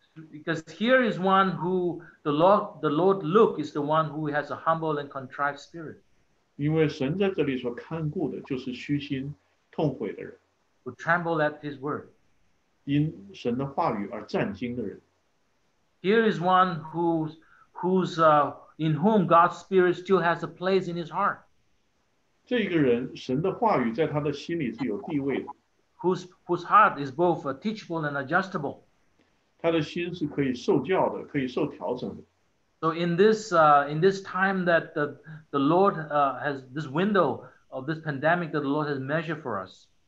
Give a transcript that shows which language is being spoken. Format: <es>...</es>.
<en>Because here is one who the Lord look is the one who has a humble and contrite spirit.</en> <zh>因为神在这里所看顾的就是虚心痛悔的人。</zh> <en>Who tremble at his word.</en> <zh>因神的话语而战惊的人。</zh> <en>Here is one in whom God's spirit still has a place in his heart.</en> <zh>这一个人神的话语在他的心里是有地位的。</zh> <en>Whose heart is both teachable and adjustable.</en> <zh>他的心是可以受教的，可以受调整的。</zh> <en>So in this time that the Lord has this window of this pandemic that the Lord has measured for us.</en>